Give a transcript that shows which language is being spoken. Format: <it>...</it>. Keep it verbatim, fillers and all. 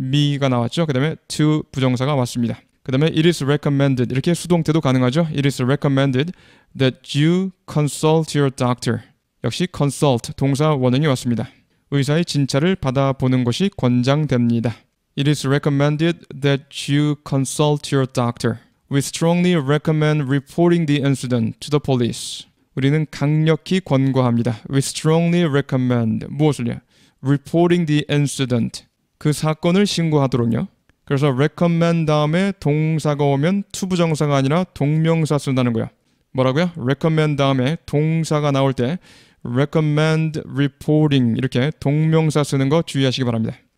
<ko>me가 나왔죠. 그 다음에 to 부정사가 왔습니다. 그 다음에</ko> <en>it is recommended.</en> <ko>이렇게 수동태도 가능하죠.</ko> <en>It is recommended that you consult your doctor.</en> <ko>역시 consult, 동사 원형이 왔습니다. 의사의 진찰을 받아보는 것이 권장됩니다.</ko> <en>It is recommended that you consult your doctor. We strongly recommend reporting the incident to the police.</en> <ko>우리는 강력히 권고합니다.</ko> <en>We strongly recommend.</en> <ko>무엇을요?</ko> <en>Reporting the incident.</en> <ko>그 사건을 신고하도록요. 그래서 recommend 다음에 동사가 오면 투부정사가 아니라 동명사 쓴다는 거야. 뭐라고요? recommend 다음에 동사가 나올 때 recommend reporting 이렇게 동명사 쓰는 거 주의하시기 바랍니다.</ko>